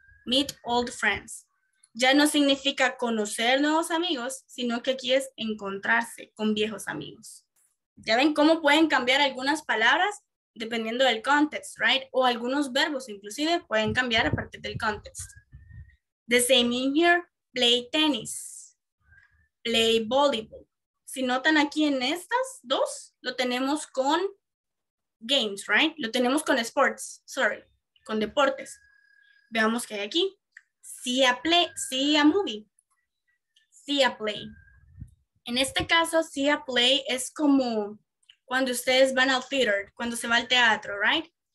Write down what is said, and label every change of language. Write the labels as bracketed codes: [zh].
[en] Meet old friends. [es] Ya no significa conocer nuevos amigos, sino que aquí es encontrarse con viejos amigos. Ya ven cómo pueden cambiar algunas palabras dependiendo del context, [en] right? [es] O algunos verbos inclusive pueden cambiar a partir del context. [en] The same in here, play tennis, play volleyball. [es] Si notan aquí en estas dos, lo tenemos con games, [en] right? [es] Lo tenemos con sports, [en] sorry, [es] con deportes. Veamos qué hay aquí. [en] See a play, see a movie, see a play. [es] En este caso, [en] see a play [es] es como cuando ustedes van al theater, cuando se va al teatro, [en] right?